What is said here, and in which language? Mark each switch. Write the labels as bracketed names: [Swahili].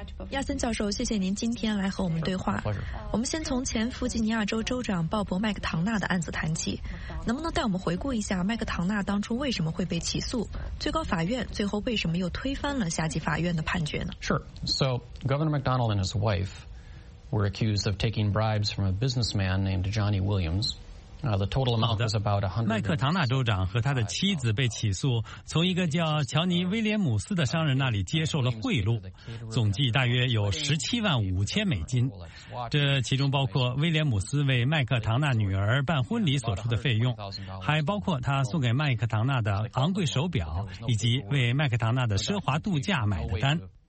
[Chinese] 亚森教授，谢谢您今天来和我们对话。我们先从前弗吉尼亚州州长鲍勃·麦克唐纳的案子谈起，能不能带我们回顾一下麦克唐纳当初为什么会被起诉？最高法院最后为什么又推翻了下级法院的判决呢 [English] ？Sure. So Governor McDonald and his wife. were accused of taking bribes from a businessman named Johnny Williams. The total amount was about 100. [Chinese] 麦克唐纳州长和他的妻子被起诉，从一个叫乔尼·威廉姆斯的商人那里接受了贿赂，总计大约有17万5千美金。这其中包括威廉姆斯为麦克唐纳女儿办婚礼所出的费用，还包括他送给麦克唐纳的昂贵手表，以及为麦克唐纳的奢华度假买的单。